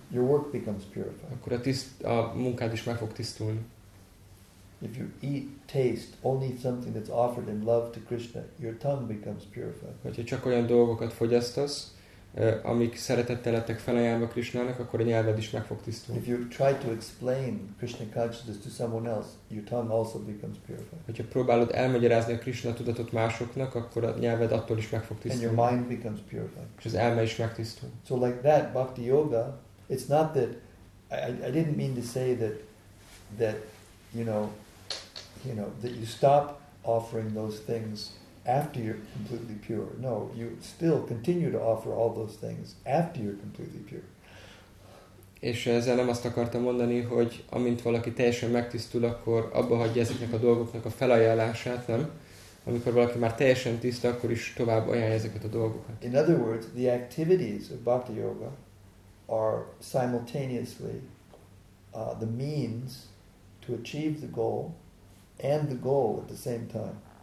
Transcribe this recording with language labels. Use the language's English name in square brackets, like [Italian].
[English] your work becomes purified. [Hungarian] Akkor a munkád is meg fog tisztulni. [English] If you eat, taste only something that's offered in love to Krishna, your tongue becomes purified. [Hungarian] Hogyha csak olyan dolgokat fogyasztasz, amik szeretettel lettek felajánlva Krishnának, akkor a nyelved is meg fog tisztulni. [English] If you try to explain Krishna consciousness to someone else, your tongue also becomes purified. [Hungarian] Hogyha próbálod elmagyarázni a Krishna tudatot másoknak, akkor a nyelved attól is meg fog tisztulni. [English] And your mind becomes purified. [Hungarian] És az elme is megtisztul. [English] So like that, bhakti yoga, it's not that, I didn't mean to say that you know that you stop offering those things after you're completely pure. No, you still continue to offer all those things after you're completely pure. [Hungarian] És ezzel nem azt akartam mondani, hogy amint valaki teljesen megtisztul, akkor abba hagyja ezeknek a dolgoknak a felajánlását, nem? amikor valaki már teljesen tiszta, akkor is tovább ajánlja ezeket a dolgokat. [English] In other words, the activities of Bhakti Yoga are simultaneously the means to achieve the goal and the goal at the same time.